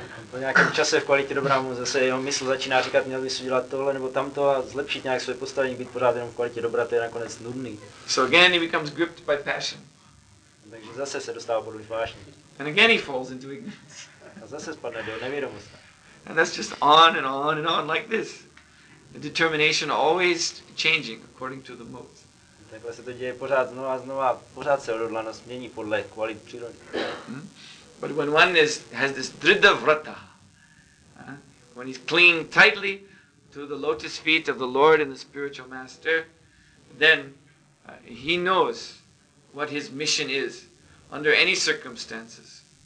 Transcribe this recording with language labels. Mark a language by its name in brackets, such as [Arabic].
[Czech] Po nějakém čase v kvalitě dobrá mu zase jeho mysl začíná říkat, měl bys udělat tohle nebo tamto a zlepšit nějak své postavení, být pořád jenom v kvalitě dobrá, to je nakonec nudný. [English] So again he becomes gripped by passion. [Czech] Takže zase se dostává pod vliv vášně. [English] And again he falls into ignorance. [Czech] A zase spadne do nevědomosti. [English] And that's just on and on and on like this. The determination always changing according to the modes. [Czech] Takhle se to děje pořád znova a znova, pořád se odhodlanost mění podle kvalit přírody. [English] But when one has this dridha vrata, when he's clinging tightly to the lotus feet of the Lord and the spiritual master, then he knows what his mission is under any circumstances.